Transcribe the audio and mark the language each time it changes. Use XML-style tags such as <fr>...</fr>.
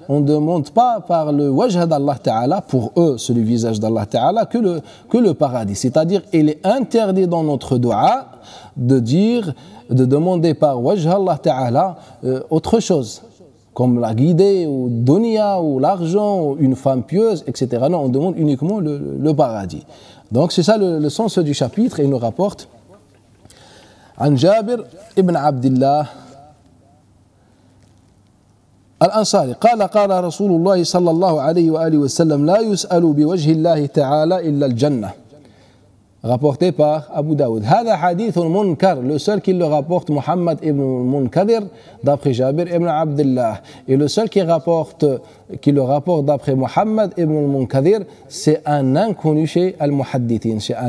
<fr>On ne demande pas par le wajh d'Allah Ta'ala, pour eux, celui visage d'Allah Ta'ala, que le paradis. C'est-à-dire, il est interdit dans notre dua de demander par wajh Allah Ta'ala autre chose, comme la guidée, ou dunya, ou l'argent, ou une femme pieuse, etc. Non, on demande uniquement le paradis. Donc c'est ça le sens du chapitre, et il nous rapporte An Jabir ibn Abdillah</fr> <ar>الأنصاري قال رسول الله صلى الله عليه وآله وسلم لا يسأل بوجه الله تعالى إلا الجنة.</ar> <fr>rapporté par Abu Dawud.</fr> <ar>هذا حديث منكر.</ar> <fr>le seul qui le rapporte Muhammad ibn Munkadir d'après Jabir ibn Abdullah. et le seul qui le rapporte d'après Muhammad ibn Munkadir, c'est un inconnu chez Al-Muhaddithin.</fr>